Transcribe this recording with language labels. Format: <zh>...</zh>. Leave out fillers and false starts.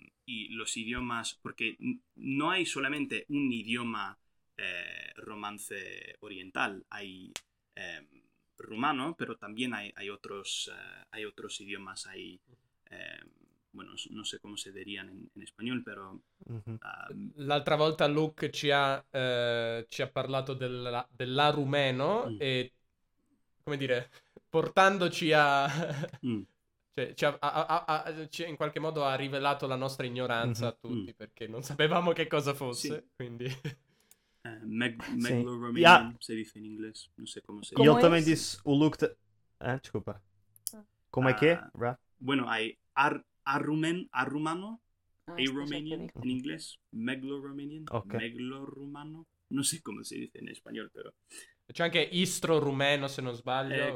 <es>Y los idiomas, porque no hay solamente un idioma romance oriental, hay rumano, pero también hay otros idiomas, hay... bueno, no sé cómo se dirían en español, pero...</es> <it>L'altra volta Luke ci ha parlato della rumeno e, come dire, portandoci a... in qualche modo ha rivelato la nostra ignoranza a tutti, perché non sapevamo che cosa fosse, sì. Quindi... Meglo-Romanian,</it> <es>se dice</es> <it>in inglese, non so come si dice. Io</it> <es>también</es> <it>disse o Luke... scusa. Come che, Ra?</it> <es>Bueno, hay... Arrumen, arrumano, Ah, A-Romanian, en inglés. Meglo-Romanian. Okay. Meglo-Rumano. No sé cómo se dice en español, pero...</es> <it>C'è anche istro-rumeno, se non sbaglio.</it>